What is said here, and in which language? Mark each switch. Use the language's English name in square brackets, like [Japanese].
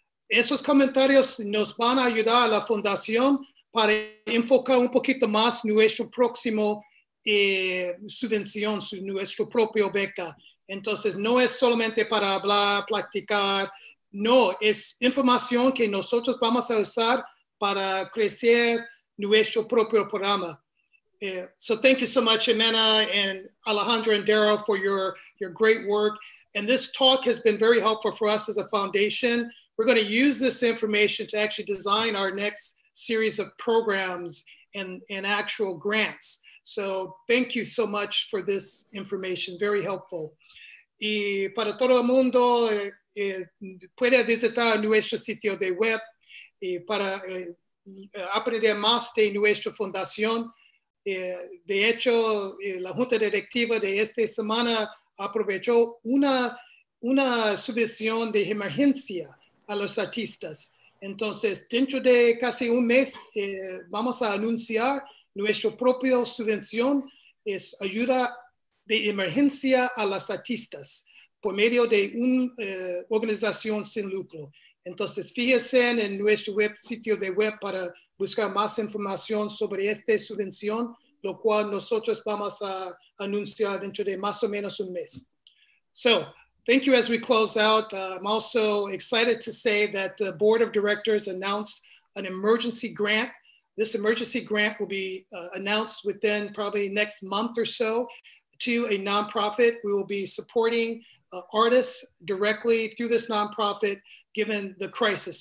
[Spanish] Esos comentarios nos van a ayudar a la Fundación para enfocar un poquito más nuestro próximo subvención, nuestro propio beca. Entonces, no es solamente para hablar, practicar. No, es información que nosotros vamos a usar para crecer nuestro propio programa. [English] So thank you so much, Jimena and Alejandro and Darrell, for your great work. And this talk has been very helpful for us as a foundation. We're going to use this information to actually design our next series of programs and actual grants. So thank you so much for this information. Very helpful. [Spanish] Y para todo el mundo, puede visitar nuestro sitio de web para aprender más de nuestra fundación. De hecho, la junta directiva de esta semana aprovechó una subvención de emergencia a los artistas. Entonces, dentro de casi un mes, vamos a anunciar nuestra propia subvención, es ayuda de emergencia a los artistas por medio de una organización sin lucro. Entonces, fíjense en nuestro web, sitio de web para buscar más información sobre esta subvención, lo cual nosotros vamos a anunciar dentro de más o menos un mes. [English] So, thank you as we close out. I'm also excited to say that the board of directors announced an emergency grant. This emergency grant will be announced within probably next month or so to a nonprofit. We will be supporting artists directly through this nonprofit, given the crisis.